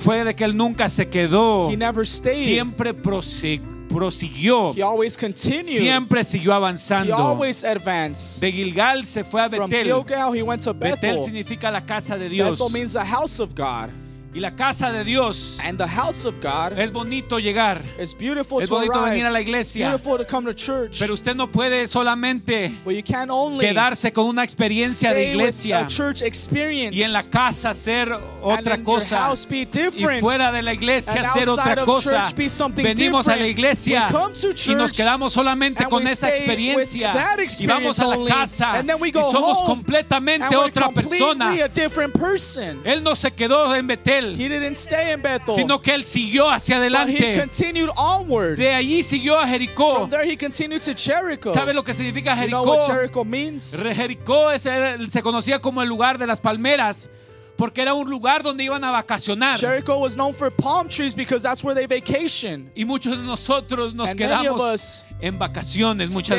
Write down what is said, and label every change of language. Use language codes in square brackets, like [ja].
[es] Fue de que él nunca se quedó. [en] He never stayed. [es] Siempre prosiguió. [en] He always continued. [es] Siempre siguió avanzando. [en] He always advanced. [es] De Gilgal se fue a Betel. [en] From Gilgal he went to Bethel. [es] Betel significa la casa de Dios. [en] Bethel means the house of God. [es] Y la casa de Dios. [en] And the house of God. [es] Es bonito llegar. [en] It's beautiful [es] es bonito [en] to arrive. [es] Venir a la iglesia. [en] Beautiful to come to church. [es] Pero usted no puede solamente quedarse con una experiencia de iglesia. [en] With a church experience. [es] Y en la casa ser otra [en] and [es] cosa. [en] Your house be different. [es] Y fuera de la iglesia [en] and [es] ser [en] outside [es] otra cosa. [en] Of church be something [es] Venimos [en] different. [es] A la iglesia [en] we come to church [es] y nos quedamos solamente [en] and [es] con [en] we [es] esa experiencia. [en] With that experience [es] y vamos a la casa [en] and then we go [es] y somos [en] home [es] completamente [en] and [es] otra persona. [en] A different person. [es] Él no se quedó en Betel. [en] He didn't stay in Bethel, [es] sino que él siguió hacia adelante. [en] But he continued onward. [es] De allí siguió a Jericó. [en] From there he continued to Jericho. [es] ¿Sabe lo que significa Jericó? [en] You know what Jericho means? [es] Jericó se conocía como el lugar de las palmeras. Porque era un lugar donde iban a vacacionar. [en] Jericho was known for palm trees because that's where they vacation. [es] Y muchos de nosotros nos [en] And [es] quedamos en vacaciones muchas